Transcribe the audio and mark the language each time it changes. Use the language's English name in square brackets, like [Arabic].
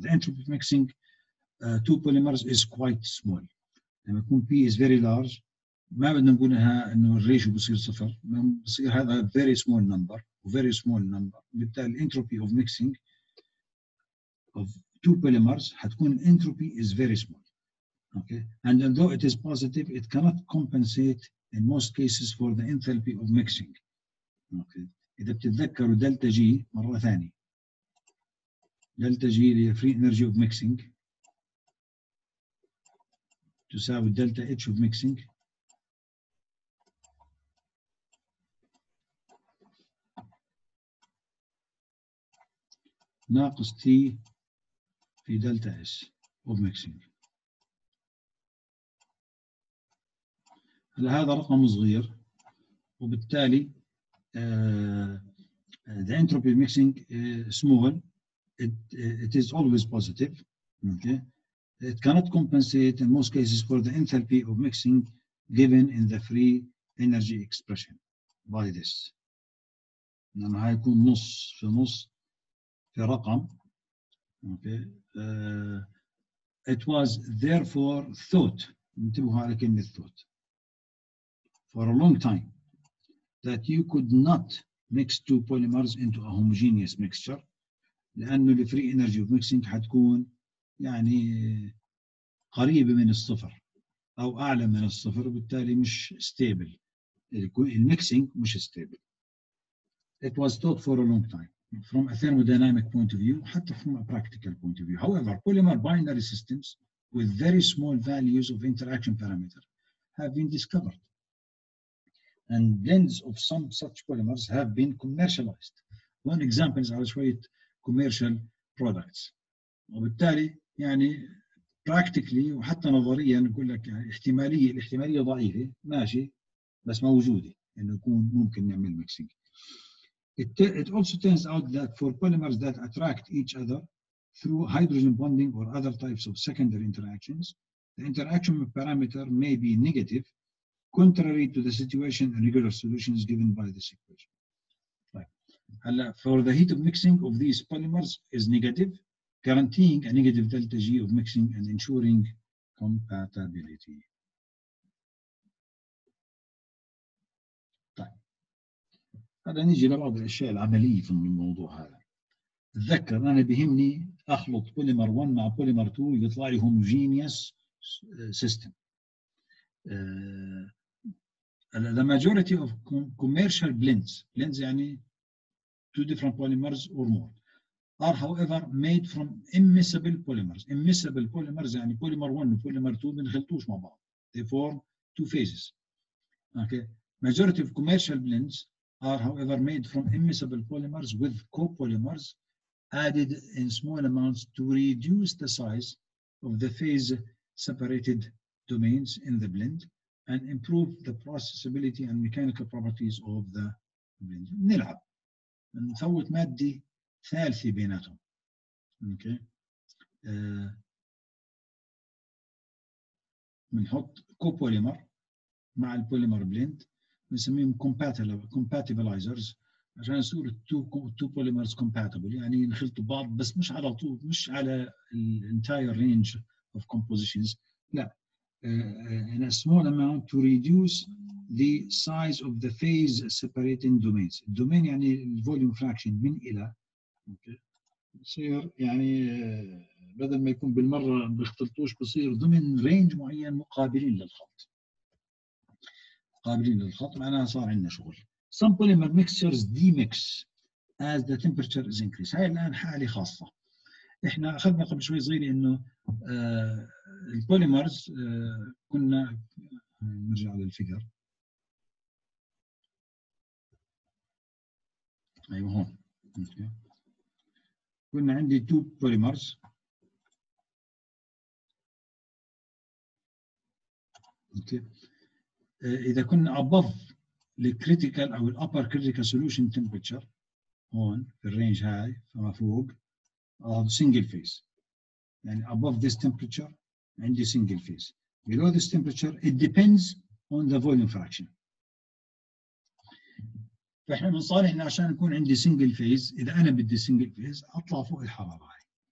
[English] The entropy mixing two polymers is quite small. [Arabic] لما يكون P [English] is very large [Arabic] ما بدنا نقولها إنه الريشو بصير صفر. بصير هذا [English] very small number very small number. [Arabic] بالتالي [English] entropy of mixing of two polymers [Arabic] هتكون [English] entropy is very small. Okay, and although it is positive, it cannot compensate in most cases for the enthalpy of mixing. [Arabic] Okay, إذا بتتذكروا delta G مرة ثانية. [English] Delta G [Arabic] هي [English] free energy of mixing [Arabic] تساوي [English] delta H of mixing. [Arabic] ناقص T في [English] delta S of mixing. [Arabic] هذا رقم صغير وبالتالي [English] the entropy of mixing small it is always positive okay. It cannot compensate in most cases for the enthalpy of mixing given in the free energy expression by this. [Arabic] لأنه هيكون نص في نص في رقم okay. [English] It was therefore thought [Arabic] انتبهوا على كلمة [English] thought for a long time that you could not mix two polymers into a homogeneous mixture [Arabic] لأنه [English] the free energy of mixing [Arabic] حتكون يعني قريبة من الصفر أو أعلى من الصفر وبالتالي مش [English] stable [Arabic] المكسينج مش [English] stable. It was thought for a long time from a thermodynamic point of view [Arabic] حتى [English] from a practical point of view. However, polymer binary systems with very small values of interaction parameter have been discovered and blends of some such polymers have been commercialized. One example is [Arabic] على شوية [English] commercial products. [Arabic] وبالتالي يعني practically وحتى نظريا نقول لك يعني الاحتمالية ضعيفة ماشي بس موجودة انه يكون ممكن نعمل mixing. [English] It also turns out that for polymers that attract each other through hydrogen bonding or other types of secondary interactions, the interaction parameter may be negative contrary to the situation and regular solutions given by this equation. Right. For the heat of mixing of these polymers is negative, guaranteeing a negative delta G of mixing and ensuring compatibility. [Arabic] هذا نيجي لبعض الأشياء العملية في الموضوع هذا. تذكر أنا بهمني أخلط polymer 1 مع polymer 2 يطلع لي homogeneous system. [English] The majority of commercial blends [Arabic] يعني [English] two different polymers or more are however made from immiscible polymers. [Arabic] Immiscible polymers يعني polymer 1 و polymer 2 بنخلطوش مع بعض. [English] They form two phases. Okay. Majority of commercial blends are however made from immiscible polymers with copolymers added in small amounts to reduce the size of the phase separated domains in the blend and improve the processability and mechanical properties of the blend. [Arabic] نلعب نفوت مادة ثالثة بيناتهم. [English] Okay. [Arabic] بنحط copolymer مع البوليمر blend بنسميهم compatibilizers عشان يصير two polymers compatible يعني ينخلطوا بعض بس مش على طول مش على ال [English] entire range of compositions [Arabic] لا [English] in a small amount to reduce the size of the phase separating domains. [Arabic] Domain يعني volume fraction من إلى. [English] Okay. [Arabic] صير يعني بدل ما يكون بالمرة بيختلطوش بصير domain range معين مقابلين للخلط. مقابلين للخلط معناها صار عندنا شغل. [English] Some polymer mixtures demix as the temperature is increased. [Arabic] هاي الآن حالة خاصة. احنا اخذنا قبل شوي صغيره انه البوليمرز كنا نرجع للفيجر ايوه هون كنا عندي two polymers. [English] Okay. [Arabic] إذا كنا above the critical أو the upper critical solution temperature هون في الرينج هاي فما فوق هذا single phase. يعني [English] above this temperature [Arabic] عندي [English] single phase. Below this temperature it depends on the volume fraction. [Arabic] فإحنا من صالحنا عشان يكون عندي single phase إذا أنا بدي single phase أطلع فوق الحرارة هاي.